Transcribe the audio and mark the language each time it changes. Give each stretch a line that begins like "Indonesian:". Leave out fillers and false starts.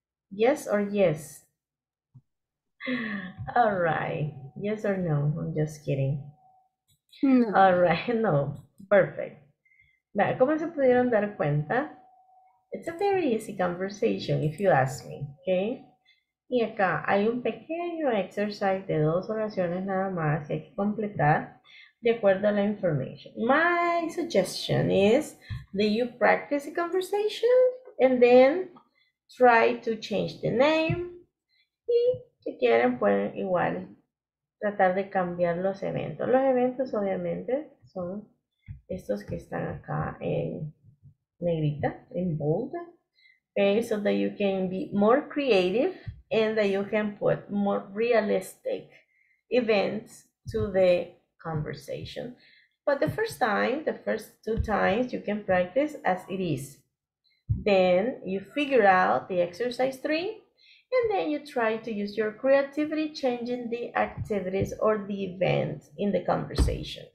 English: Yes or yes? All right, yes or no, I'm just kidding. No. All right, no, perfect. Now,
Spanish: ¿cómo se pudieron dar cuenta?
English: It's a very easy conversation if you ask me, okay?
Spanish: Y acá hay un pequeño exercise de dos oraciones nada más que hay que completar de acuerdo a la information. My suggestion is that you practice a conversation and then try to change the name. Y si quieren pueden igual tratar de cambiar los eventos. Los eventos obviamente son estos que están acá en negrita, en bold.
English: Okay, so that you can be more creative and that you can put more realistic events to the conversation. But the first two times, you can practice as it is. Then you figure out the exercise three, and then you try to use your creativity changing the activities or the events in the conversation.